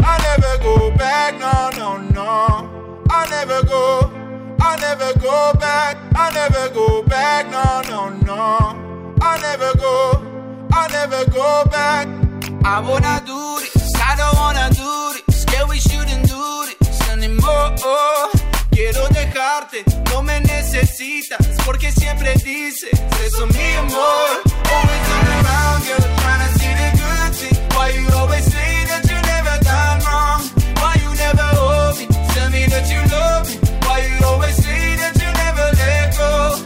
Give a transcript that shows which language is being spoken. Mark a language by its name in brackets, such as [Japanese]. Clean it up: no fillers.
[English] I never go back, no, no, no. I never go back, I never go back, no, no, no. I never go back. I wanna do this, I don't wanna do this. Yeah, we shouldn't do this anymore. [Spanish] Quiero dejarte, no me necesitas, porque siempre dices eso, mi amor. [English] Always on the ground, girl, trying to see the good thing. Why you always say that you never done wrong? Why you never hold me, tell me that you love me? Why you always say that you never let go?